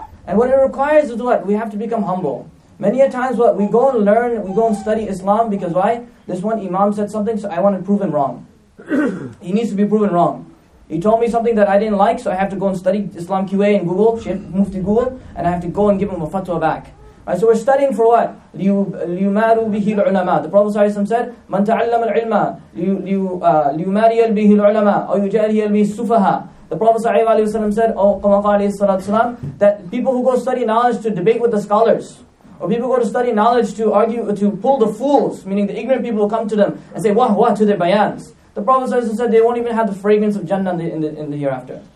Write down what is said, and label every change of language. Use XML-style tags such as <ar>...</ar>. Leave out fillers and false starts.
<en>And what it requires is what? We have to become humble. Many a times, what? We go and learn, we go and study Islam, because why? This one imam said something, so I want to prove him wrong. He needs to be proven wrong. He told me something that I didn't like, so I have to go and study Islam QA in Google, Sheikh Mufti Google, and I have to go and give him a fatwa back. Right, so we're studying for what?</en> <ar>لِيُمَارُوا بِهِ الْعُلَمَا.</ar> <en>The Prophet ﷺ said,</en> <ar>مَنْ تَعَلَّمَ الْعِلْمَ لِيُمَارِيَ بِهِ الْعُلَمَا أَوْ يُجَالِيَ بِهِ السُّفَهَا.</ar> <en>The Prophet ﷺ said, oh,</en> <ar>قَمَا قَالِهِ الصَّلَاةُ والسلام,</ar> <en>that people who go study knowledge to debate with the scholars, or people who go to study knowledge to argue, to pull the fools, meaning the ignorant people who come to them and say, wah, wah, to their bayans. The Prophet said they won't even have the fragrance of Jannah in the hereafter.</en>